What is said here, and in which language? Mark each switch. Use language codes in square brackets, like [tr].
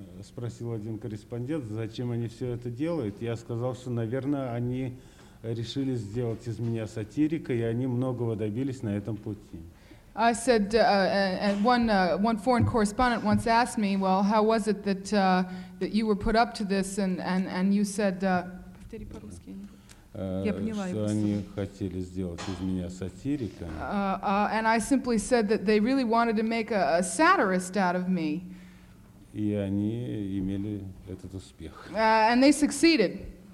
[ru] спросил один корреспондент, зачем они все это делают. Я сказал, что, наверное, они решили сделать из меня сатирика, и они многого добились на этом пути. [en] I said, and one foreign correspondent once asked me, well, how was it that that you were put up to this, and you said, [ru] повтори по-русски. Я поняла, что они хотели сделать из меня сатирика. [en] And I simply said that they really wanted to make a satirist out of me. [ru] И они имели этот успех. [en] And they succeeded.